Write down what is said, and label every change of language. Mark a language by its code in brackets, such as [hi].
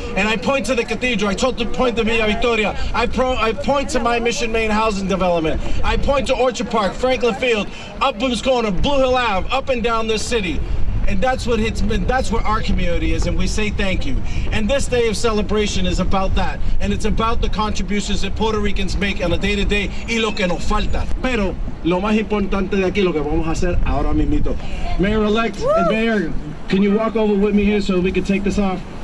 [en] And I point to the cathedral. I told to point to Villa Victoria. I point to my Mission Main housing development. I point to Orchard Park, Franklin Field, up Booms Corner, Blue Hill Ave, up and down this city. And that's what it's been, that's where our community is, and we say thank you. And this day of celebration is about that. And it's about the contributions that Puerto Ricans make on a day-to-day, [es] y lo que nos falta. Pero lo más importante de aquí, lo que vamos a hacer ahora mismito. [en] Mayor-elect, woo! And Mayor, can you walk over with me here so we can take this off?